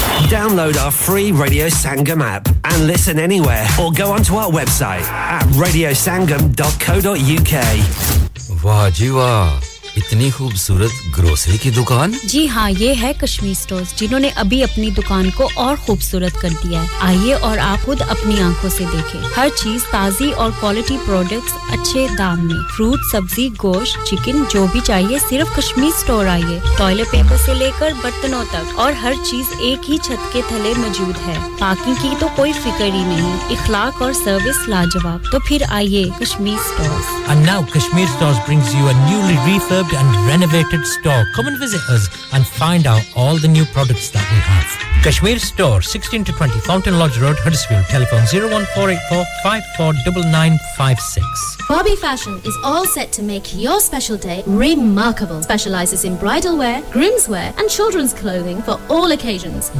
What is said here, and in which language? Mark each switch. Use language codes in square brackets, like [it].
[en] Download our free Radio Sangam app and listen anywhere or go onto our website at radiosangam.co.uk [hi] वाह जी वाह इतनी खूबसूरत grocery की दुकान जी हां ये है कश्मीर स्टोर्स जिन्होंने अभी अपनी दुकान को और खूबसूरत कर दिया है आइए और आप खुद अपनी आंखों से देखें हर चीज ताजी और क्वालिटी प्रोडक्ट्स अच्छे दाम में फ्रूट सब्जी गोश्त चिकन जो भी चाहिए सिर्फ कश्मीर स्टोर आइए टॉयलेट पेपर से लेकर बर्तनों तक और हर चीज एक ही छत के तले मौजूद है पार्किंग की तो कोई फिक्र ही नहीं इखलाक और सर्विस लाजवाब तो फिर आइए Kashmir stores [en] And now Kashmir stores brings you a newly reef and renovated store. Come and visit us and find out all the new products that we have. Kashmir Store, 16 to 20 Fountain Lodge Road, Huddersfield. Telephone 01484 549956. Bobby Fashion is all set to make your special day remarkable. Specializes in bridal wear, groom's wear and children's clothing for all occasions.